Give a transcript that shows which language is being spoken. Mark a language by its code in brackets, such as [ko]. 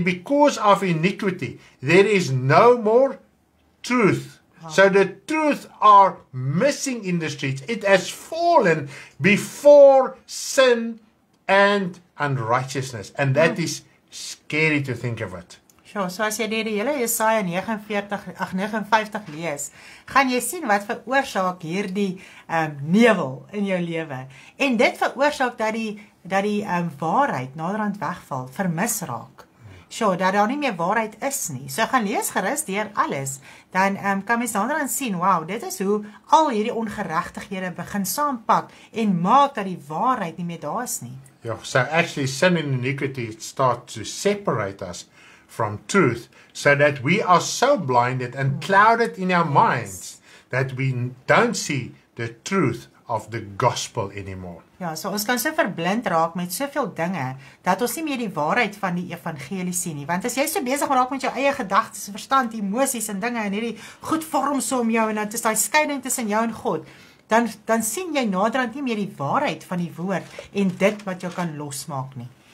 [en] Because of iniquity, there is no more truth. So the truth are missing in the streets. It has fallen before sin and unrighteousness. And that is scary to think of it. [af] Sure, so as jy die hele Jesaja 59 lees, gaan jy sien wat veroorsaak hierdie nevel in jou lewe. En dit veroorsaak dat die waarheid naderhand wegval, vermis raak. Sure, dat daar nie meer waarheid is nie. So gaan lees gerus deur alles, dan kan mens naderhand sien, wow, dit is hoe al hierdie ongeregtighede begin saampak en maak dat die waarheid nie meer daar is nie. [en] Ja, so actually sin and iniquity start to separate us from truth, so that we are so blinded and clouded in our minds that we don't see the truth of the gospel anymore. [af] Ja, so ons kan so verblind raak met soveel dinge dat ons nie meer die waarheid van die evangelie sien nie. Want as jy so besig raak met jou eie gedagtes, verstand, emosies en dinge en hierdie goed vorm so om jou en dan is daai skeiding tussen jou en God, dan sien jy naderhand nie meer die waarheid van die woord en dit wat jou kan losmaak nie.